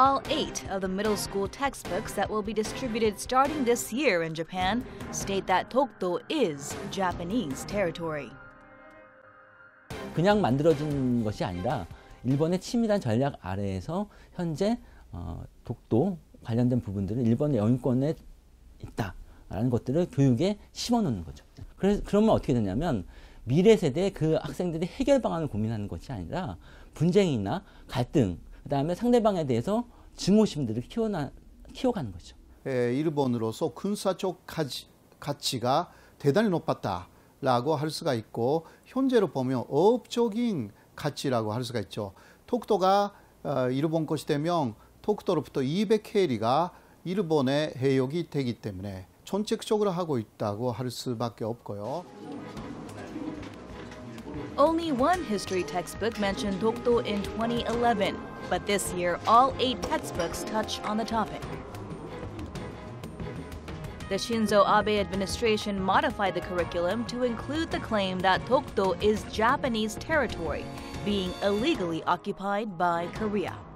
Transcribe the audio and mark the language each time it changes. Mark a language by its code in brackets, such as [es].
[en] 8 of the middle school textbooks that will be distributed starting this year in Japan state that Tokdo is Japanese territory. [ko] 그냥 만들어진 것이 아니라 일본의 치밀한 전략 아래에서 현재 독도 관련된 부분들은 일본 영유권에 있다라는 것들을 교육에 심어놓는 거죠. 그래서 그러면 어떻게 되냐면 미래 세대의 그 학생들이 해결 방안을 고민하는 것이 아니라 분쟁이나 갈등 그다음에 상대방에 대해서 증오심들을 키워가는 거죠. 일본으로서 군사적 가치가 대단히 높았다라고 할 수가 있고 현재로 보면 어업적인 가치라고 할 수가 있죠. 독도가 일본 것이 되면 독도로부터 200해리가 일본의 해역이 되기 때문에 전체적으로 하고 있다고 할 수밖에 없고요. [en] Only one history textbook mentioned Tokdo in 2011, but this year all eight textbooks touch on the topic. The Shinzo Abe administration modified the curriculum to include the claim that Tokdo is Japanese territory being illegally occupied by Korea.